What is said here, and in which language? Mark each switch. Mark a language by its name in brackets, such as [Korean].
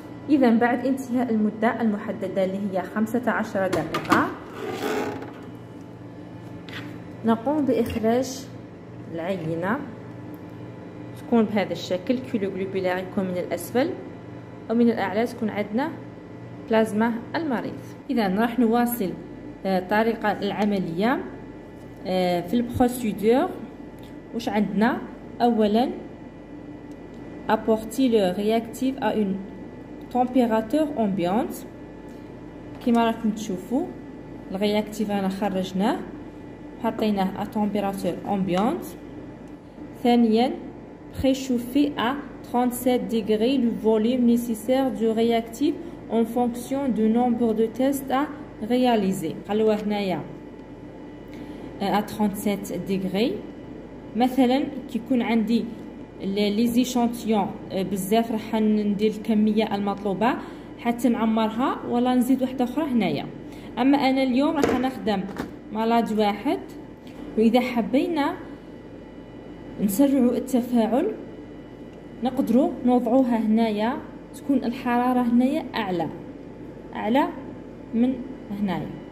[Arabic] إذا بعد انتهاء المدة المحددة اللي هي 15 دقيقة نقوم بإخراج العينة، تكون بهذا الشكل، كيلو جلوبيلار يكون من الأسفل ومن الأعلى تكون عندنا بلازما المريض. إذا راح نواصل طريقة العملية في البروسيدور. واش عندنا؟ أولا [French] apporter le réactif à une température ambiante. [Arabic] كما راكم تشوفوا الرياكتيف انا خرجناه حطيناه [French] à température ambiante. ثانيا préchauffer à 37 degrés le volume nécessaire du réactif en fonction du nombre de tests à réaliser. [Arabic] خلوه هنايا [French] à 37 degrés. [Arabic] مثلا كي يكون عندي لي زيشانتيون بزاف راح ندير الكميه المطلوبه حتى نعمرها ولا نزيد واحدة اخرى هنايا. اما انا اليوم راح نخدم مالاد واحد، واذا حبينا نسرعوا التفاعل نقدروا نوضعوها هنايا تكون الحراره هنايا اعلى من هنايا.